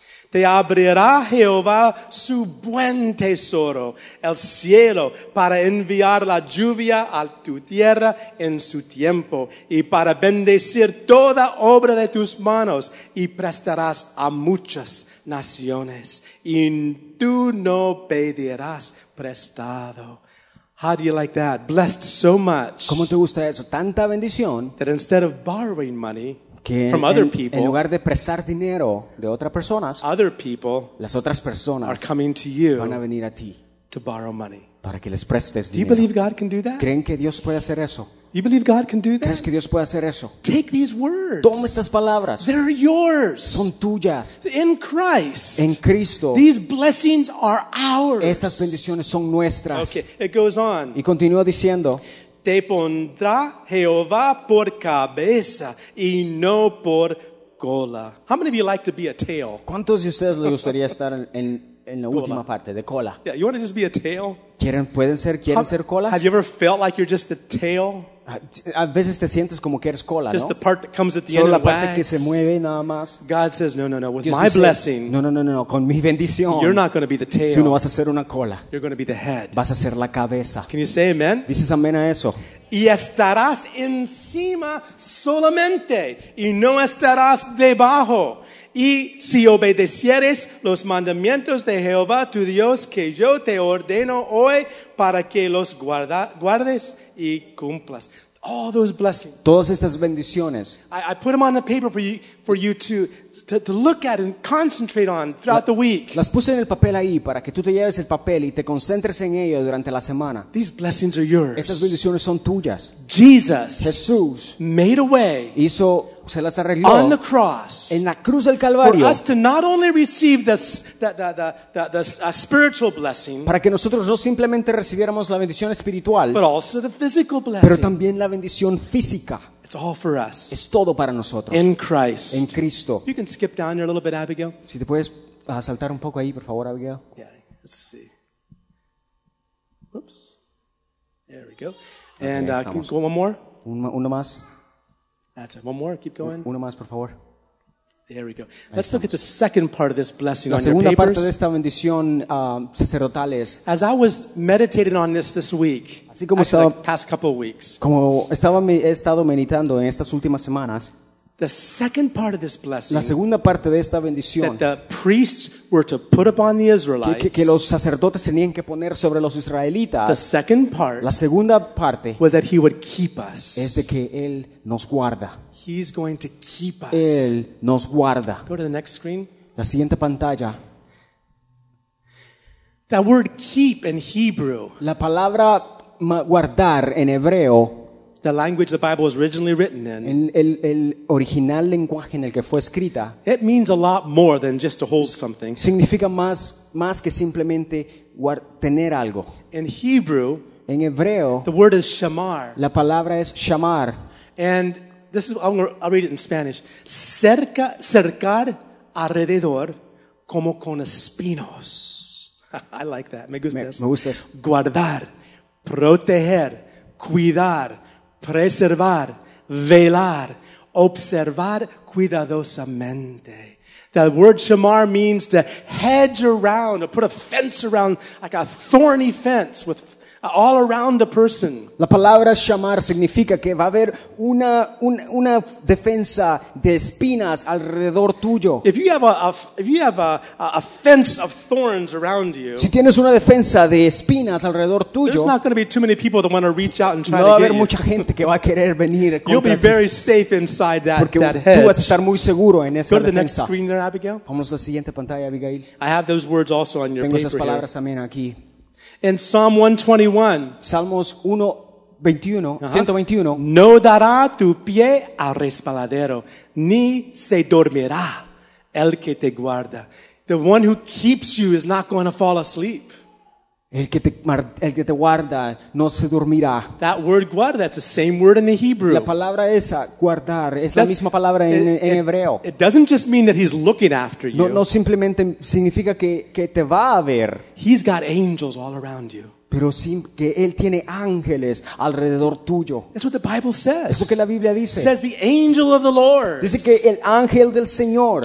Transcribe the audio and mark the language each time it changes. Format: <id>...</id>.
<es>Te abrirá Jehová su buen tesoro, el cielo, para enviar la lluvia a tu tierra en su tiempo, y para bendecir toda obra de tus manos, y prestarás a muchas naciones, y tú no pedirás prestado.</es> <en>How do you like that? Blessed so much.</en> <es>¿Cómo te gusta eso? Tanta bendición.</es> <en>That instead of borrowing money from other people,</en> <es>en lugar de prestar dinero de otras personas,</es> <en>other people,</en> <es>las otras personas</es> <en>are coming to you,</en> <es>van a venir a ti,</es> <en>to borrow money,</en> <es>para que les prestes dinero.</es> <en>Do you believe God can do that?</en> <es>¿Creen que Dios puede hacer eso?</es> <en>You believe God can do that?</en> <es>¿Crees que Dios puede hacer eso?</es> <en>Take these words.</en> <es>Toma estas palabras.</es> <en>They're yours.</en> <es>Son tuyas.</es> <en>In Christ.</en> <es>En Cristo.</es> <en>These blessings are ours.</en> <es>Estas bendiciones son nuestras.</es> <en>Okay, it goes on.</en> <es>Y continúa diciendo. Te pondrá Jehová por cabeza y no por cola.</es> <en>How many of you like to be a tail?</en> <es>¿Cuántos de ustedes les gustaría estar en la última parte de cola?</es> <en>Yeah, you want to just be a tail?</en> <es>Quieren ser colas?</es> <en>Have you ever felt like you're just the tail?</en> <es>A veces te sientes como que eres cola,</es> <en>just</en> <es>¿no?</es> <en>The part that comes at the</en> <es>solo</es> <en>end</en> <es>la parte</es> <en>wags,</en> <es>que se mueve nada más.</es> <en>God says no. With</en> <es>Dios</es> <en>my</en> <es>dice,</es> <en>blessing.</en> <es>No. Con mi bendición.</es> <en>You're not going to be the tail.</en> <es>Tú no vas a ser una cola.</es> <en>You're going to be the head.</en> <es>Vas a ser la cabeza.</es> <en>Can you say amen?</en> <es>Dices amén a eso. Y estarás encima solamente y no estarás debajo. Y si obedecieres los mandamientos de Jehová tu Dios que yo te ordeno hoy para que los guardes y cumplas.</es> <en>All those blessings.</en> <es>Todas estas bendiciones.</es> <en>I put them on the paper for you to look at and concentrate on throughout the week.</en> <es>Las puse en el papel ahí para que tú te lleves el papel y te concentres en ello durante la semana.</es> <en>These blessings are yours.</en> <es>Estas bendiciones son tuyas.</es> <en>Jesús made a way.</en> <es>Hizo se las arregló</es> <en>on the cross,</en> <es>en la cruz del Calvario,</es> <en>for us to not only receive the spiritual blessing,</en> <es>para que nosotros no simplemente recibiéramos la bendición espiritual,</es> <en>but also the physical blessing,</en> <es>pero también la bendición física.</es> <en>It's all for us,</en> <es>es todo para nosotros,</es> <en>in Christ,</en> <es>en Cristo.</es> <en>You can skip down here a little bit, Abigail.</en> <es>Si te puedes saltar un poco ahí, por favor, Abigail.</es> <en>Yeah, let's see. Oops, there we go. Okay, and can we go one more?</en> <es>Uno más.</es> <en>That's it. One more. Keep going.</en> <es>Uno más, por favor.</es> <en>There we go. Let's look at the second part of this blessing</en> <es>la</es> <en>on your papers.</en> <es>Parte de esta bendición, sacerdotal es,</es> <en>as I was meditating on this week,</en> <es>así como</es> <en>actually</en> <es>estaba,</es> <en>the past couple of weeks,</en> <es>como estaba, he estado meditando en estas últimas semanas,</es> <en>the second part of this blessing,</en> <es>la segunda parte de esta bendición,</es> <en>that the priests were to put upon the Israelites,</en> <es>que los sacerdotes tenían que poner sobre los israelitas,</es> <en>the second part,</en> <es>la segunda parte,</es> <en>was that he would keep us,</en> <es>es de que él nos guarda.</es> <en>He's going to keep us.</en> <es>Él nos guarda.</es> <en>Go to the next screen.</en> <es>La siguiente pantalla.</es> <en>That word keep in Hebrew.</en> <es>La palabra guardar en hebreo</es> <en>The language the Bible was originally written in.</en> <es>El original lenguaje en el que fue escrita.</es> <en>It means a lot more than just to hold something.</en> <es>Significa más que simplemente tener algo.</es> <en>In Hebrew,</en> <es>en hebreo,</es> <en>the word is shamar.</en> <es>La palabra es shamar.</es> <en>And this is I'll read it in Spanish.</en> <es>Cercar alrededor como con espinos.</es> <en>I like that.</en> <es>Me gusta eso. Me gusta eso. Guardar, proteger, cuidar, preservar, velar, observar cuidadosamente.</es> <en>The word shamar means to hedge around, to put a fence around, like a thorny fence with all around a person.</en> <es>La palabra shamar significa que va a haber una defensa de espinas alrededor tuyo.</es> <en>If you have a fence of thorns around you,</en> <es>si tienes una defensa de espinas alrededor tuyo,</es> <en>there's not going to be too many people that want to reach out and try to get you.</en> <es>No va a haber mucha gente que va a querer venir.</es> <en>You'll be very safe inside that.</en> <es>Porque tú vas a estar muy seguro en esa defensa.</es> <en>Go to the next screen there, Abigail.</en> <es>Vamos a la siguiente pantalla, Abigail.</es> <en>I have those words also on your paper.</en> <es>Tengo esas palabras también aquí.</es> <en>In Psalm 121,</en> <es>Salmos 121, no dará tu pie al resbaladero, ni se dormirá el que te guarda.</es> <en>The one who keeps you is not going to fall asleep.</en> <es>El que te guarda no se dormirá.</es> <en>That word guarda, that's the same word in the Hebrew.</en> <es>La palabra esa, guardar, es la misma palabra en hebreo.</es> <en>It doesn't just mean that he's looking after you.</en> <es>No simplemente significa que te va a ver.</es> <en>He's got angels all around you.</en> <es>Pero que él tiene ángeles alrededor tuyo.</es> <en>That's what the Bible says.</en> <es>Es lo que la Biblia dice.</es> <en>It says the angel of the Lord.</en> <es>Dice que el ángel del Señor</es>